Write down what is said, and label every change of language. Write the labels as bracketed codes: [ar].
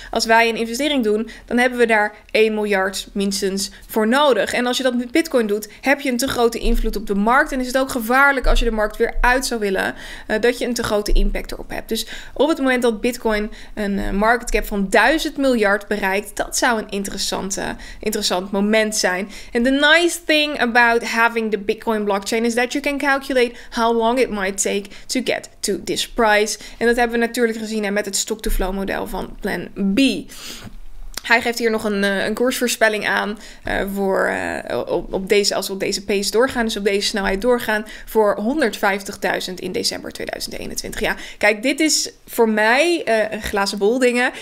[nl] Als wij een investering doen, dan hebben we daar 1 miljard minstens voor nodig. En als je dat met Bitcoin doet, heb je een te grote invloed op de markt. En is het ook gevaarlijk als je de markt weer uit zou willen, dat je een te grote impact erop hebt. Dus op het moment dat Bitcoin een market cap van 1000 miljard bereikt, dat zou een interessant moment zijn. [en] En the nice thing about having the Bitcoin blockchain is that you can calculate how long it might take to get to this price. [nl] En dat hebben we natuurlijk gezien met het stock-to-flow model van Plan B. Hij geeft hier nog een koersvoorspelling aan als we op deze pace doorgaan, dus op deze snelheid doorgaan, voor 150.000 in december 2021. Ja, kijk, dit is voor mij een glazen bol dingen.